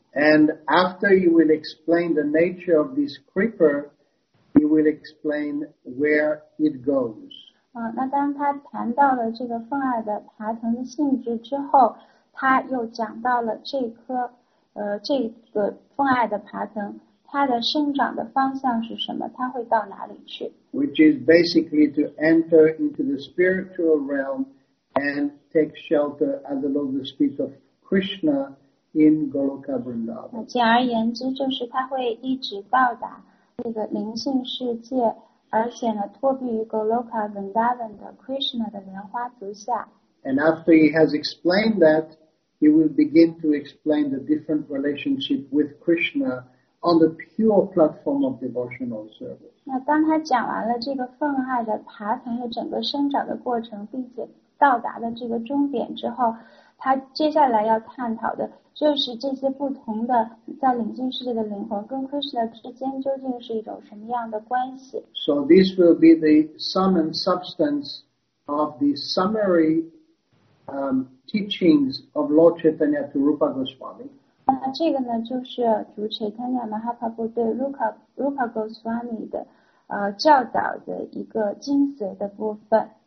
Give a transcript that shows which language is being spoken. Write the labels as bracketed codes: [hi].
[en] And after you will explain the nature of this creeper. He will explain where it goes. [zh] 那当他谈到了这个奉爱的爬藤的性质之后，他又讲到了这颗这个奉爱的爬藤，它的生长的方向是什么？它会到哪里去 [en] ？Which is basically to enter into the spiritual realm and take shelter at the lotus feet of Krishna in Goloka Vrindavan. [zh] 简而言之，就是它会一直到达。这个灵性世界，而且呢，托庇于 Goloka Vrindavan 的 Krishna 的莲花足下。 [en] And after he has explained that, he will begin to explain the different relationship with Krishna on the pure platform of devotional service. [zh] 那当他讲完了这个奉爱的爬藤的整个生长的过程，并且到达了这个终点之后，他接下来要探讨的就是这些不同的在灵性世界的灵魂跟 Krishna 之间究竟是一种什么样的关系。 [en] So this will be the sum and substance of the summary teachings of Lord Chaitanya to Rupa Goswami. [zh] 那这个呢，就是主 Chaitanya Mahaprabhu 对 Rupa Goswami 的教导的一个精髓的部分。